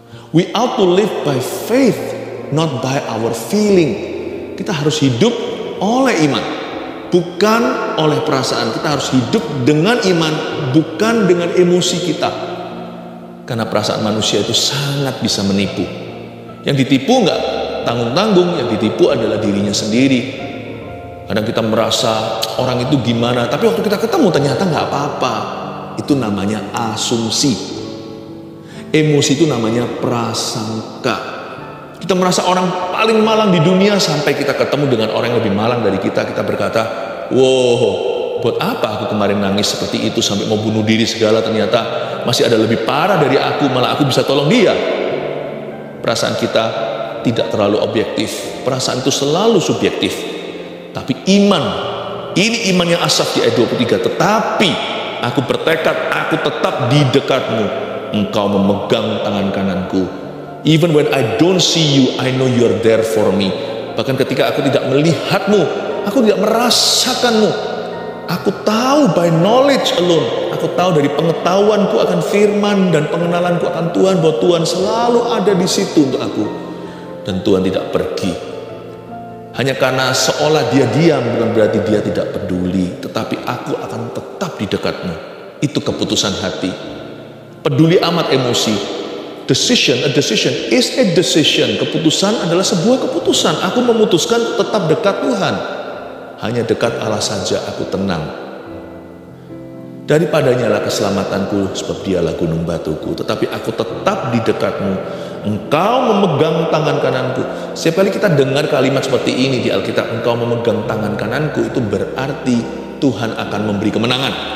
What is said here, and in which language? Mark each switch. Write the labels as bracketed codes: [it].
[en] We ought to live by faith, not by our feeling. [id] Kita harus hidup oleh iman, bukan oleh perasaan. Kita harus hidup dengan iman, bukan dengan emosi kita. Karena perasaan manusia itu sangat bisa menipu. Yang ditipu enggak tanggung-tanggung, yang ditipu adalah dirinya sendiri. Kadang kita merasa orang itu gimana, tapi waktu kita ketemu ternyata enggak apa-apa. Itu namanya asumsi. Emosi itu namanya prasangka. Kita merasa orang paling malang di dunia sampai kita ketemu dengan orang yang lebih malang dari kita. Kita berkata, wow, buat apa aku kemarin nangis seperti itu sampai mau bunuh diri segala, ternyata masih ada lebih parah dari aku, malah aku bisa tolong dia. Perasaan kita tidak terlalu objektif. Perasaan itu selalu subjektif. Tapi iman, ini iman yang Asaf di ayat 23. Tetapi aku bertekad, aku tetap di dekatmu. Engkau memegang tangan kananku. [en] Even when I don't see you, I know you're there for me. [id] Bahkan ketika aku tidak melihatmu, aku tidak merasakanmu, aku tahu [en] by knowledge alone, [id] aku tahu dari pengetahuanku akan firman dan pengenalanku akan Tuhan, bahwa Tuhan selalu ada di situ untuk aku. Dan Tuhan tidak pergi. Hanya karena seolah dia diam, bukan berarti dia tidak peduli. Tetapi aku akan tetap di dekatmu. Itu keputusan hati. Peduli amat emosi. [en] A decision is a decision. [id] Keputusan adalah sebuah keputusan. Aku memutuskan tetap dekat Tuhan. Hanya dekat Allah saja aku tenang. Daripadanya lah keselamatanku, sebab dialah gunung batuku. Tetapi aku tetap di dekatmu. Engkau memegang tangan kananku. Setiap kali kita dengar kalimat seperti ini di Alkitab, engkau memegang tangan kananku, itu berarti Tuhan akan memberi kemenangan.